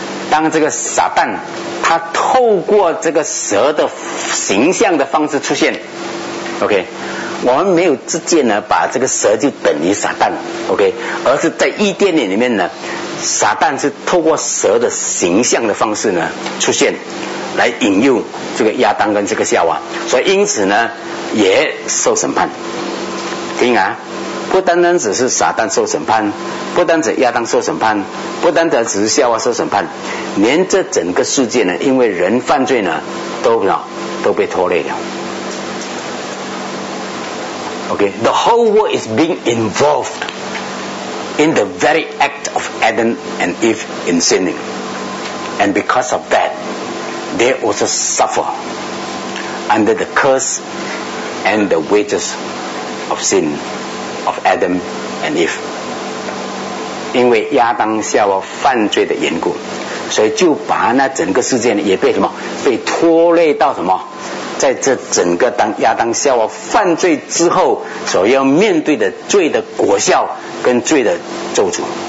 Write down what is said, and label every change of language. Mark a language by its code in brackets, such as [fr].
[zh] 当这个撒旦他透过这个蛇的形象的方式出现， OK， 我们没有直接呢把这个蛇就等于撒旦， OK， 而是在伊甸园里面呢，撒旦是透过蛇的形象的方式呢出现来引诱这个亚当跟这个夏娃，所以因此呢也受审判。听啊，不单单只是撒旦受审判，不单只亚当受审判，不单单只是夏娃受审判，连这整个世界呢，因为人犯罪呢，都被拖累了。 [en] Okay, the whole world is being involved in the very act of Adam and Eve in sinning, and because of that, they also suffer under the curse and the wages of sin of Adam and Eve. [zh] 因为亚当夏娃犯罪的缘故，所以就把那整个世界也被什么被拖累到什么，在这整个当亚当夏娃犯罪之后所要面对的罪的果效跟罪的咒诅。